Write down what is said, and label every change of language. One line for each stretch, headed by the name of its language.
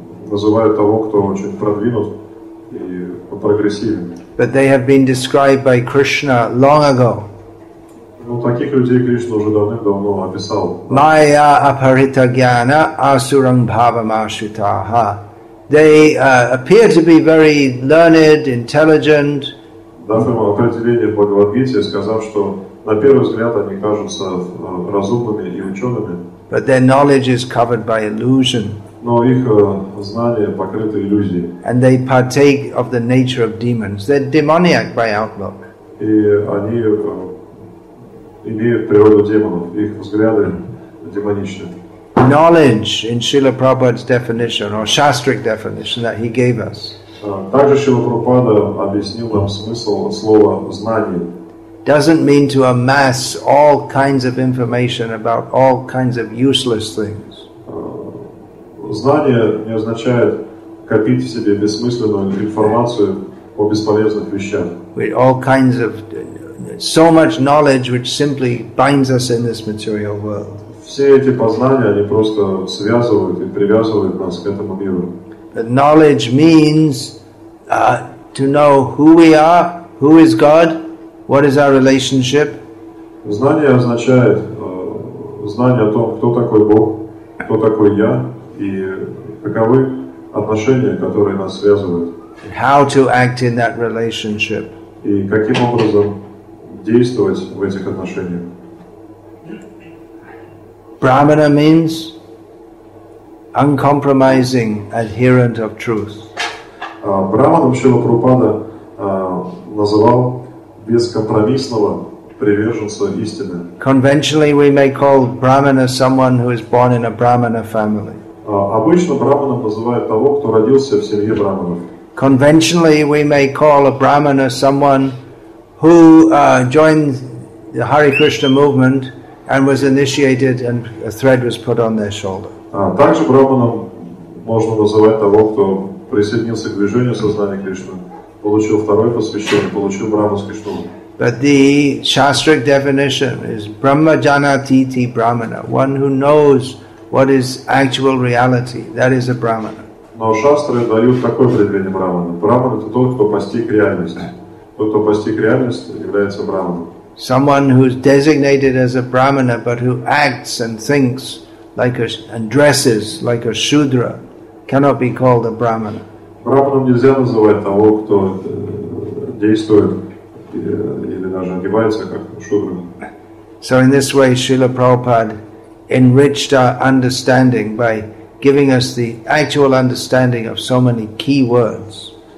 Russian: называют того, кто очень продвинут и прогрессивен.
English: But they have been described by Krishna long ago.
Russian: Ну, таких людей Кришна уже давным-давно описал.
Sanskrit: Майя апарита гьяна асуранг бхавам ашритаха.
English: They appear to be very learned, intelligent.
Russian: Дав им определение Бхагавадгите, сказав, что на первый взгляд они кажутся разумными и учеными.
English: But their knowledge is covered by illusion.
Russian: Но их знания покрыты иллюзией.
English: And they partake of the nature of demons. They're demoniac by outlook.
Russian: И они имеют природу демонов. Их взгляды демоничны.
English: Knowledge in Srila Prabhupada's definition or Shastric definition that he gave us.
Russian: Также Шрила Прабхупада объяснил нам смысл слова знание.
English: Doesn't mean to amass all kinds of information about all kinds of useless things.
Russian: Знание не означает копить в себе бессмысленную информацию о бесполезных вещах.
English: With all kinds of so much knowledge which simply binds us in this material world.
Russian: Все эти познания, они просто связывают и привязывают нас к этому миру.
English: But knowledge means to know who we are, who is God, what is our relationship.
Russian: Знание означает знание о том, кто такой Бог, кто такой я, и каковы отношения, которые нас связывают.
English: And how to act in that relationship.
Russian: И каким образом действовать в этих отношениях.
English: Brahmana means uncompromising adherent of truth.
Russian: Brahmana Srila Prabhupada называл бескомпромиссного приверженца истины.
English: Conventionally we may call Brahmana someone who is born in a Brahmana family.
Russian: Обычно Brahmana называют того, кто родился в семье Брахманов.
English: Conventionally we may call a Brahmana someone who joined the Hare Krishna movement and was initiated and a thread was put on their shoulder.
Russian: Также Брахманом можно называть того, кто присоединился к движению сознания Кришны, получил второе посвящение, получил брахманский штурм.
English: But the Shastric definition is
Sanskrit: Brahma Janatiti Brahmana,
English: one who knows what is actual reality, that is a Brahmana.
Russian: Но Шастры дают такое определение Брахмана. Брахман — это тот, кто постиг реальность. Тот, кто постиг реальность, является Брахманом.
English: Someone who's designated as a Brahmana but who acts and thinks like a, and dresses like a Shudra cannot be called a Brahmana.
Russian: Брахманом нельзя называть того, кто действует или даже одевается как Шудра.
English: So in this way Srila Prabhupada enriched our understanding by giving us the actual understanding of so many key words.